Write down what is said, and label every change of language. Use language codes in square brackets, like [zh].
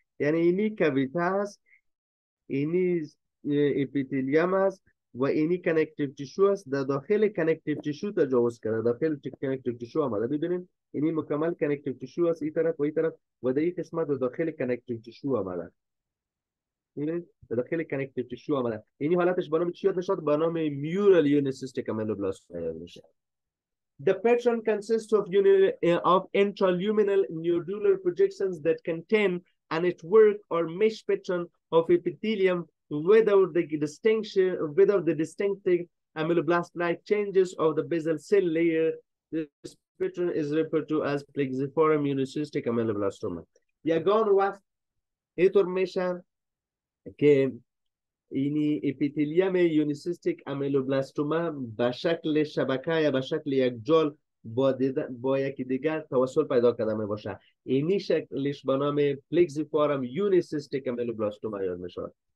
[fa] یعنی اینی کویته هست اینی اپیتیلیم هست و اینی کنکتیو تیشو هست در داخل کنکتیو تیشو تجاوز کرده داخل کنکتیو تیشو آمده. ببینید اینی مکمل کنکتیو تیشو هست این طرف و این طرف و در این قسمت در داخل کنکتیو تیشو آمده در داخل کنکتیو تیشو آمده. اینی حالتش به نام چی یاد میشد؟ به نام میورال یونیسیستیک امیلوبلاست یاد میشه. [en] The pattern consists of intraluminal nodular projections that contain a network or mesh pattern of epithelium without the distinctive ameloblast-like changes of the basal cell layer. This pattern is referred to as plexiform unicystic ameloblastoma. [fa] یگان وقت ایتور میشه که اینی اپیتیلیم یونیسیستیک امیلوبلاستوما به شکل شبکه یا به شکل یک جال با یکی دیگر توسل پیدا کرده می باشه. اینی شکلش به نام پلکسیفارم یونیسیستیک امیلوبلاستوما یاد می شود.